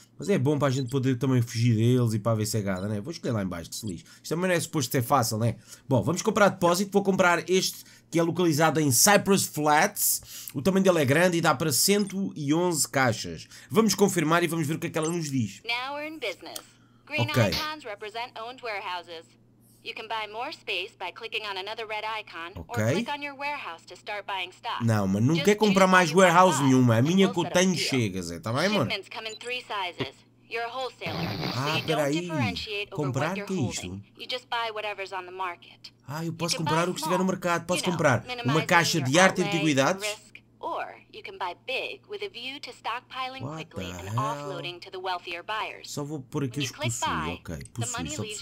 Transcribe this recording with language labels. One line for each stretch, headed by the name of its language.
Portuguese: Mas é bom para a gente poder também fugir deles e para ver cegada, né? Vou escolher lá em baixo, que se lixe. Isto também não é suposto ser fácil, né? Bom, vamos comprar depósito. Vou comprar este que é localizado em Cypress Flats. O tamanho dele é grande e dá para 111 caixas. Vamos confirmar e vamos ver o que é que ela nos diz.
English: Now we're in business. Green okay. Icons represent owned warehouses. You can buy more space by clicking on another red icon okay. Or click on your warehouse to start buying stock.
Portuguese: Não, mas não quer comprar mais warehouse nenhuma. A minha que eu tenho chega, Zé. Tá bem, mano?
English: Shipments come in 3 sizes. You're a wholesaler. Ah, so you don't differentiate
Portuguese: comprar
English: over what you're holding.
Portuguese: Que é isto?
English: You just buy whatever's on the market.
Portuguese: Ah, eu posso comprar o que estiver no mercado. Posso comprar uma caixa de arte e antiguidades.
English: Or you can buy big with a view to stockpiling quickly and offloading to the wealthier buyers.
Portuguese: Só vou pôr aqui os possíveis. Ok, possíveis.